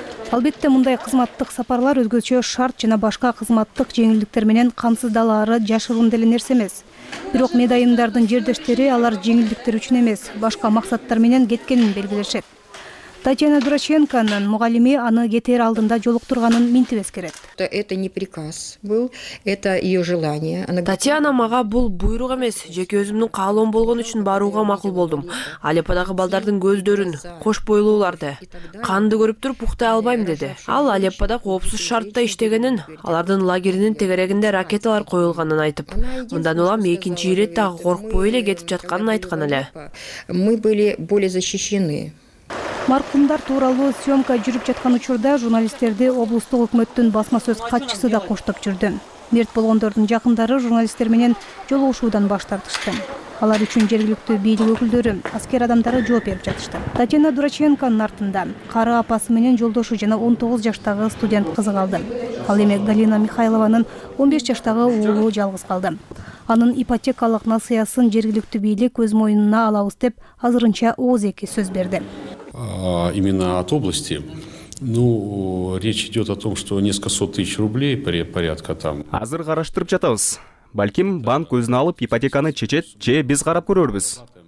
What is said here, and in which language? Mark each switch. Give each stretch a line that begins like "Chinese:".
Kyrgyz: Албетте мындай кызматтык сапарлар өзгөчө шарт жана башка кызматтык жеңилдиктер менен камсыздалары жашыруун деле нерсе эмес. Бирок медайымдардын жердештери алар жеңилдиктер үчүн эмес, башка максаттар менен кеткенин белгилешет. Татьяна Дураченконун мугалими аны кетер алдында жолуктурганын минтип эскерет.
Russian: Это не приказ был, это ее желание.
Kyrgyz: Татьяна мага бул буйрук эмес, жеке өзүмдүн каалоом болгон үчүн барууга макул болдум. Алеппадагы балдардын көздөрүн, кош бойлууларды, канды көрүп туруп уктай албайм деди. Ал Алеппада коопсуз шартта иштегенин, алардын лагеринин тегерегинде ракеталар коюлганын айтып, мындан улам экинчи ирет дагы коркпой эле кетип жатканын айткан эле.
Russian: Мы были более защищены.
Kyrgyz: Маркумдар тууралуу съемка жүрүп жаткан учурда журналисттерди облустук өкмөттүн басма сөз катчысы да коштоп жүрдү. Мерт болгондордун жакындары журналисттер менен жолугушуудан баш тартышты. Алар үчүн жергиликтүү бийлик өкүлдөрү, аскер адамдары жооп берип жатышты. Татьяна Дураченконун артында кары апасы менен жолдошу жана 19 жаштагы студент кызы калды. Ал эми Галина Михайлованын 15 жаштагы уулу жалгыз калды. Анын ипотекалык насыясын жергиликтүү бийлик өз мойнуна алабыз деп азырынча ооз эки сөз берди.
Russian: Именно от области. Речь идет о том, что несколько сот тысяч рублей порядка там.
Kyrgyz: Азыр караштырып жатабыз. Балким банк көзүн алып ипотеканы чечет, же биз карап көрөрбүз.